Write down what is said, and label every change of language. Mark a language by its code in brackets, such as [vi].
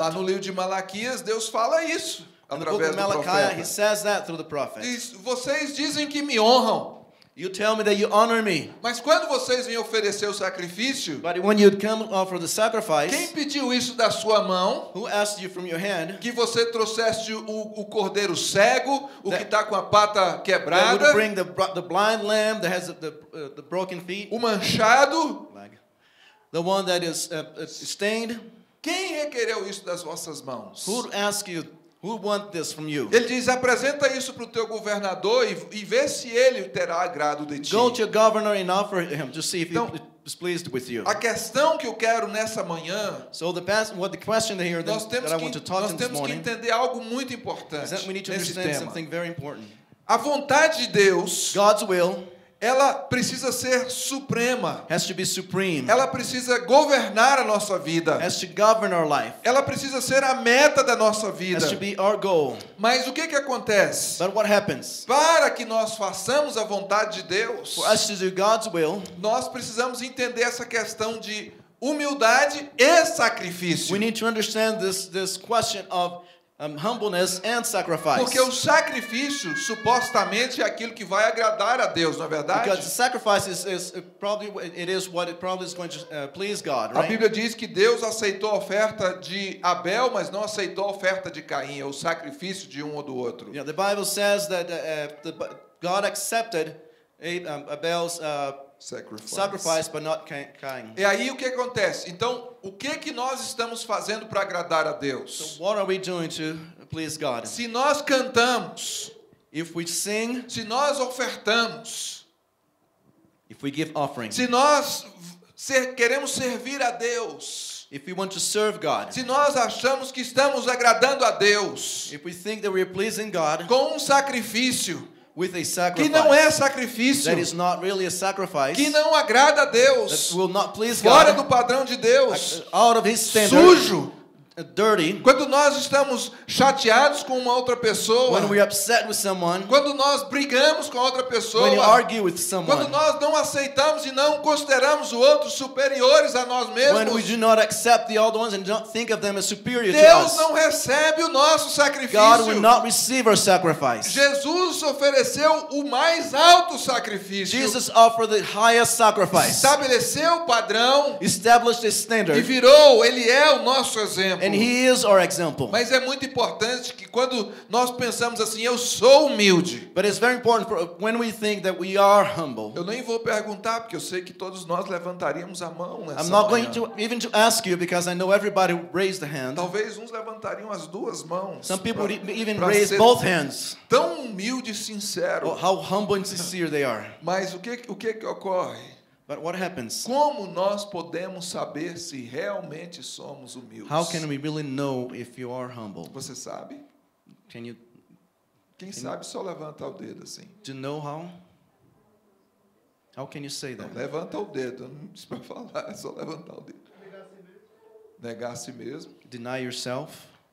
[pt] Lá no livro de Malaquias, Deus fala isso através do [en] Malachi, [pt] profeta. [en] He says that through the prophet. [pt] Diz, vocês dizem que me honram. [en] You tell me that you honor me. [pt] Mas quando vocês me oferecer o sacrifício, [en] but when you come offer the sacrifice, [pt] quem pediu isso da sua mão? [en] Who asked you from your hand? [pt] Que você trouxesse o cordeiro cego, o que está com a pata quebrada? [en] That would bring the blind lamb that has the broken feet. [pt] O manchado? [en] Like, the one that is stained. [pt] Quem requereu isso das vossas mãos? [en] Who asked you? Who want this from you? [pt] Ele diz, apresenta isso para o teu governador e vê se ele terá agrado de ti. [en] Go to your governor and offer him to see if então, he is pleased with you. [pt] A questão que eu quero nessa manhã. [en] So the question here that I want to talk [pt] nós temos [en] this morning, [pt] que entender algo muito importante. [en] Is that we need to [pt] nesse [en] understand [pt] tema. [en] Something very important. [pt] A vontade de Deus. [en] God's will. [pt] Ela precisa ser suprema. [en] Has to be supreme. [pt] Ela precisa governar a nossa vida. [en] Has to govern our life. [pt] Ela precisa ser a meta da nossa vida. [en] Has to be our goal. [pt] Mas o que acontece? [en] But what happens? [pt] Para que nós façamos a vontade de Deus, [en] for us to do God's will, [pt] nós precisamos entender essa questão de humildade e sacrifício. [en] We need to understand this question of humbleness and sacrifice. [pt] Porque o sacrifício supostamente é aquilo que vai agradar a Deus, não é verdade? [en] Because the sacrifice is what it probably is going to please God, right? [pt] A Bíblia diz que Deus aceitou a oferta de Abel, mas não aceitou a oferta de Caim, o sacrifício de um ou do outro. [en] Yeah, the Bible says that God accepted Abel's sacrifice, but not Cain. [pt] E aí o que acontece? Então, o que nós estamos fazendo para agradar a Deus? [en] So what are we doing to please God? [pt] Se nós cantamos, [en] if we sing, [pt] se nós ofertamos, [en] if we give offerings, [pt] se nós queremos servir a Deus, [en] if we want to serve God, [pt] se nós achamos que estamos agradando a Deus, [en] if we think that we are pleasing God, [pt] com um sacrifício. [en] With a sacrifice, [pt] que não é sacrifício, [en] that is not really a sacrifice, [pt] que não agrada a Deus, [en] that will not please God, [pt] fora do padrão de Deus, [en] out of his standard, [pt] sujo, [en] dirty. [pt] Quando nós estamos chateados com uma outra pessoa, [en] when we upset with someone, [pt] quando nós brigamos com outra pessoa, [en] when you argue with someone, [pt] quando nós não aceitamos e não consideramos o outro superiores a nós mesmos, [en] when we do not accept the other ones and don't think of them as superior to us, [pt] Deus não recebe o nosso sacrifício. [en] God will not receive our sacrifice. [pt] Jesus ofereceu o mais alto sacrifício. [en] Jesus offered the highest sacrifice. [pt] Estabeleceu o padrão, [en] established a standard, [pt] e virou, ele é o nosso exemplo. [en] And he is our example. [pt] Mas é muito importante que quando nós pensamos assim, eu sou humilde. [en] But it's very important for when we think that we are humble. [pt] Eu nem vou perguntar porque eu sei que todos nós levantaríamos a mão nessa [en] I'm not manhã. Going to even to ask you because I know everybody raised the hand. [pt] Talvez uns levantariam as duas mãos. [en] Some people even raise both hands. [pt] Tão humilde e sincero. [en] Well, how humble and sincere they are. [pt] Mas o que ocorre? [en] But what happens? [pt] Como nós podemos saber se realmente somos humildes? [en] How can we really know if you are humble? [pt] Você sabe? [en] Can you? [pt] Quem sabe só levanta o dedo assim. [en] Do you know how? How can you say that? [pt] Não, levanta o dedo, não precisa para falar, é só levantar o dedo. Negar a si mesmo. [en] Deny yourself.